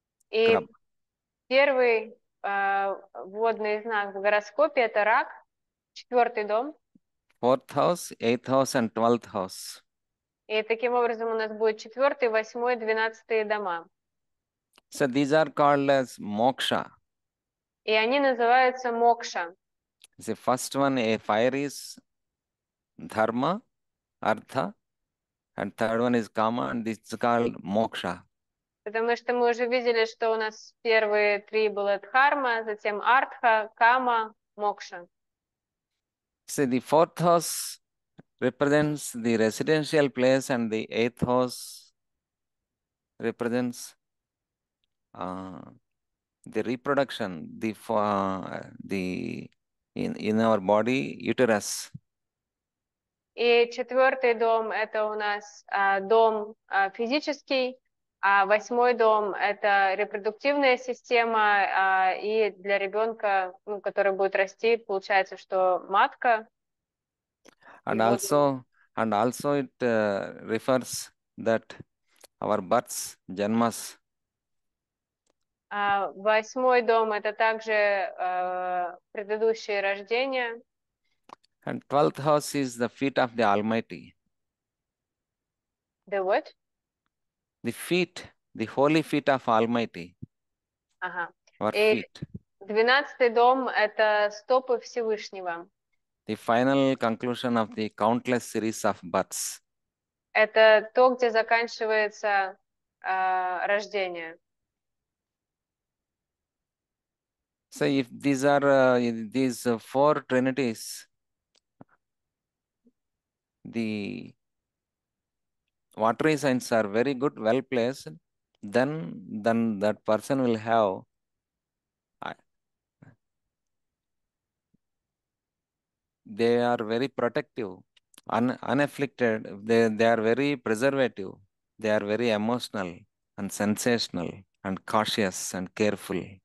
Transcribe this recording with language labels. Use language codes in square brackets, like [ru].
[ru] И [en] crab. [ru] первый водный знак в гороскопе – это рак, четвертый дом. [en] Fourth house, eighth house and twelfth house. [ru] И таким образом у нас будет четвертый, восьмой, двенадцатый дома. [en] So these are called as moksha. [ru] И они называются мокша. [en] The first one, a fire, is dharma, artha, and third one is kama, and this is called moksha. [ru] Потому что мы уже видели, что у нас первые три были дхарма, затем артха, кама, мокша. [en] So the fourth house represents the residential place, and the eighth house represents the reproduction, in our body, uterus. [ru] И четвертый дом это у нас дом физический, а восьмой дом это репродуктивная система, и для ребенка, ну, который будет расти, получается, что матка и [en] And [ru] будет. [en] also it refers that our births, janmas. [ru] А восьмой дом это также предыдущие рождения. [en] And 12th house is the feet of the Almighty. The what? The holy feet of Almighty. [ru] Ага. [en] Our [ru] И [en] feet. [ru] 12-й дом это стопы Всевышнего. [en] The final conclusion of the countless series of births. [ru] Это то, где заканчивается рождение. [en] So if these are these four trinities, the watery signs are very good, well placed, then that person will they are very protective, unafflicted, they are very preservative, they are very emotional and sensational and cautious and careful.